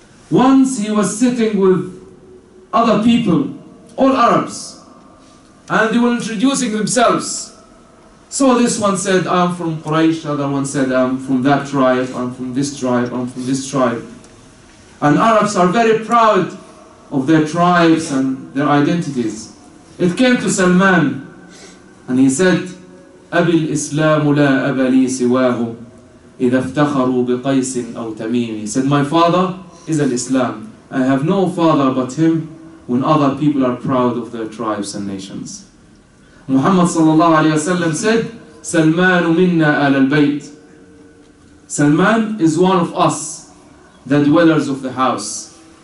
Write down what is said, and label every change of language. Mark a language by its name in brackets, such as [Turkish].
[English] Once he was sitting with other people, all Arabs, and they were introducing themselves. So this one said, I'm from Quraysh. Other one said, I'm from that tribe, I'm from this tribe, I'm from this tribe. And Arabs are very proud of their tribes and their identities. It came to Salman, and he said, [Arabic] أبي الإسلام لا أبا لي سواه إذا افتخروا بقيس أو تميم. [English] He said, my father is an Islam. I have no father but him when other people are proud of their tribes and nations. Muhammad sallallahu alayhi wa sallam said, Salman minna al bayt. Salman is one of us, the dwellers of the house.